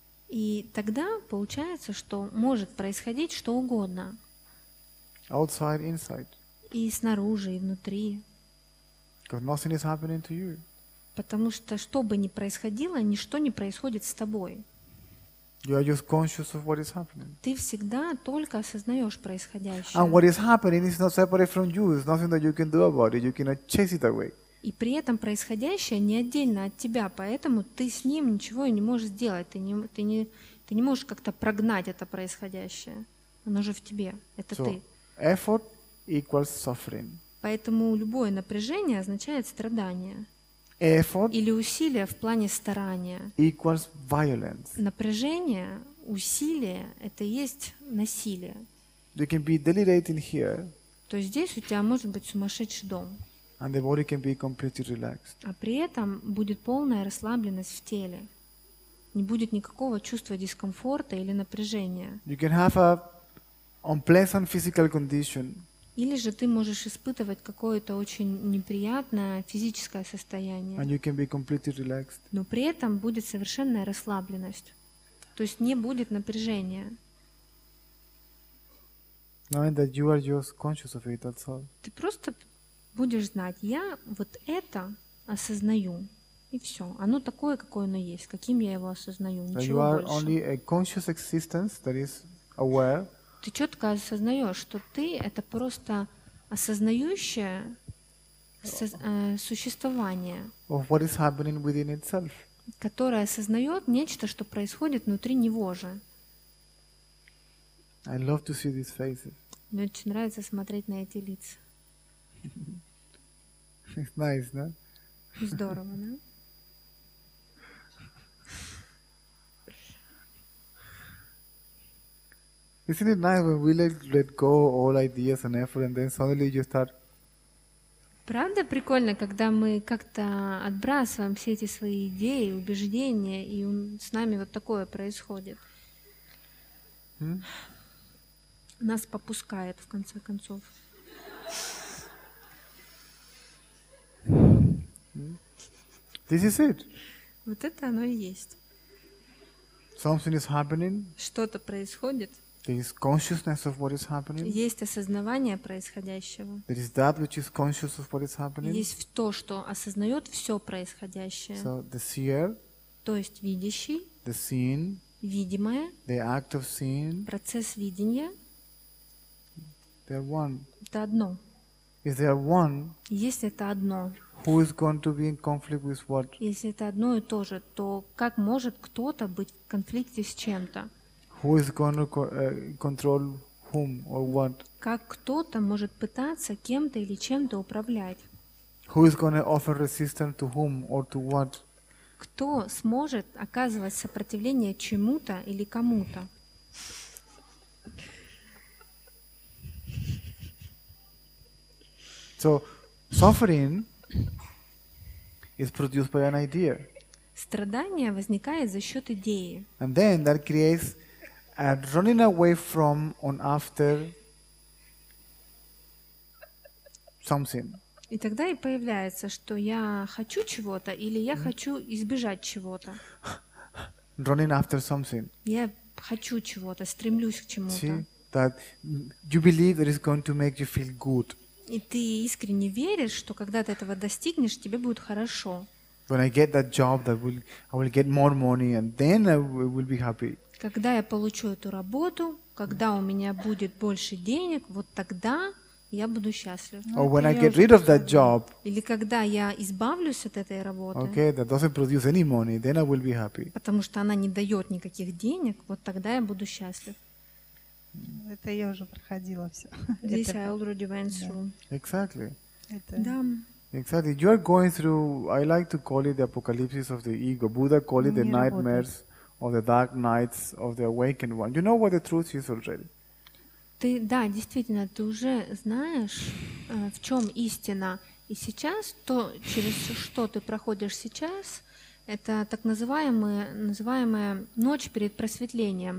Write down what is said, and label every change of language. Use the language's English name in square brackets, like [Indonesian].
[Russian] И тогда получается, что может происходить что угодно. [English] Outside, inside. [Russian] И снаружи, и внутри. [English] Because nothing is happening to you. [Russian] Потому что что бы ни происходило, ничто не происходит с тобой. [English] You are just conscious of what is happening. [Russian] Ты всегда только осознаешь происходящее. [English] And what is happening is not separate from you. It's nothing that you can do about it. You cannot chase it away. [Russian] И при этом происходящее не отдельно от тебя, поэтому ты с ним ничего не можешь сделать. Ты не можешь как-то прогнать это происходящее. Оно же в тебе. Это [English] so, [Russian] ты. [English] Effort equals suffering. [Russian] Поэтому любое напряжение означает страдание. [English] Effort [Russian] или усилие в плане старания. [English] Equals violence. [Russian] Напряжение, усилие – это и есть насилие. [English] You can be delirating here. [Russian] То есть здесь у тебя может быть сумасшедший дом. [English] And the body can be completely relaxed. [Russian] А при этом будет полная расслабленность в теле. Не будет никакого чувства дискомфорта или напряжения. [English] You can have a unpleasant physical condition. [Russian] Или же ты можешь испытывать какое-то очень неприятное физическое состояние. [English] And you can be completely relaxed. [Russian] Но при этом будет совершенная расслабленность. То есть не будет напряжения. [English] Knowing that you are just conscious of it, that's all. [Russian] Ты просто будешь знать, я вот это осознаю. И все. Оно такое, какое оно есть, каким я его осознаю. Ничего [English] you are [Russian] больше. [English] Only a conscious existence that is aware. [Russian] Ты четко осознаешь, что ты — это просто осознающее существование, [English] of what is happening within itself. [Russian] Которое осознает нечто, что происходит внутри него же. [English] I love to see these faces. [Russian] Мне очень нравится смотреть на эти лица. [English] It's nice, no? [Russian] Здорово, да? [English] Isn't it nice when we let go all ideas and effort and then suddenly you start? [Russian] Правда прикольно, когда мы как-то отбрасываем все эти свои идеи, убеждения, и с нами вот такое происходит. Нас попускает в конце концов. [English] This is it. [Russian] Вот это оно и есть. [English] Something is happening. [Russian] Что-то происходит. [English] There is consciousness of what is happening. [Russian] Есть осознавание происходящего. [English] There is that which is conscious of what is happening. [Russian] Есть то, что осознает все происходящее. [English] So the seer. [Russian] То есть видящий. [English] The seen. [Russian] Видимое. [English] The act of seeing. [Russian] Процесс видения. [English] They are one. [Russian] Это одно. [English] Is there one? [Russian] Есть это одно. [English] Who is going to be in conflict with what? [Russian] Если это одно и то же, то как может кто-то быть в конфликте с чем-то? [English] Who is going to control whom or what? [Russian] Как кто-то может пытаться кем-то или чем-то управлять? [English] Who is going to offer resistance to whom or to what? [Russian] Кто сможет оказывать сопротивление чему-то или кому-то? [English] So, suffering is produced by an idea. [Russian] Страдание возникает за счет идеи. [English] And then that creates and running away from on after something. [Russian] И тогда и появляется, что я хочу чего-то или я хочу избежать чего-то. [English] Running after something. [Russian] Я хочу чего-то, стремлюсь к чему-то. [English] See, that you believe that is going to make you feel good. [Russian] И ты искренне веришь, что когда ты этого достигнешь, тебе будет хорошо. [English] When I get that job, that will I will get more money and then I will be happy. [Russian] Когда я получу эту работу, когда у меня будет больше денег, вот тогда я буду счастлив. [English] Or when I get rid of that job. [Russian] Или когда я избавлюсь от этой работы. [English] Okay, that doesn't produce any money, then I will be happy. [Russian] Потому что она не дает никаких денег, вот тогда я буду счастлив. Это я уже проходила все. [English] This I already went through. Exactly. Да. Exactly. You are going through, I like to call it the apocalypse of the ego. Buddha called it the nightmares. Of the dark nights of the awakened one. You know what the truth is already. [Russian] Ты, да, действительно, ты уже знаешь, в чем истина. И сейчас то, через что ты проходишь сейчас, это так называемая ночь перед просветлением.